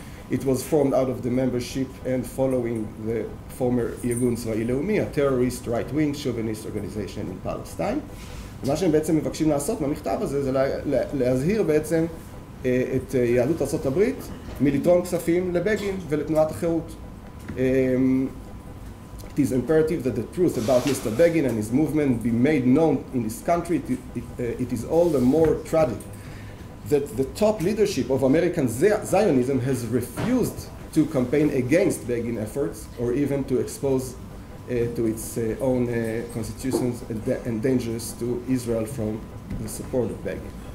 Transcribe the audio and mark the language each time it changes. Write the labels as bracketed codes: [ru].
[en] It was formed out of the membership and following the former Irgun Tzva'i Leumi, a terrorist right-wing chauvinist organization in Palestine. [he] מה שהם בעצם מבקשים לעשות במכתב הזה, זה להזהיר בעצם את יהדות ארצות הברית מלתרום כספים לבגין ולתנועת החירות. [en] It is imperative that the truth about Mr. Begin and his movement be made known in this country. It is all the more tragic that the top leadership of American Zionism has refused to campaign against Begin efforts or even to expose to its own constitutions and dangers to Israel from the support of Begin.